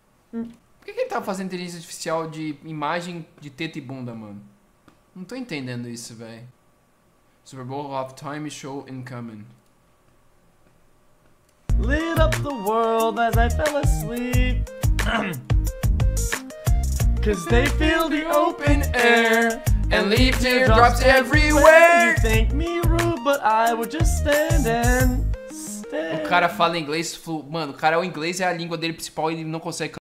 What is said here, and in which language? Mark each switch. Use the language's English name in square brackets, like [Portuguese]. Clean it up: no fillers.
[Portuguese] Por que ele tá fazendo inteligência artificial de imagem de teta e bunda, mano? Não tô entendendo isso, velho. [English] Super Bowl halftime show incoming. Lit up the world as I fell asleep. Cause they feel the open air and leave teardrops everywhere. You think me rude, but I would just stand and stare. [Portuguese] O cara fala inglês, mano, o cara, o inglês é a língua dele principal e ele não consegue.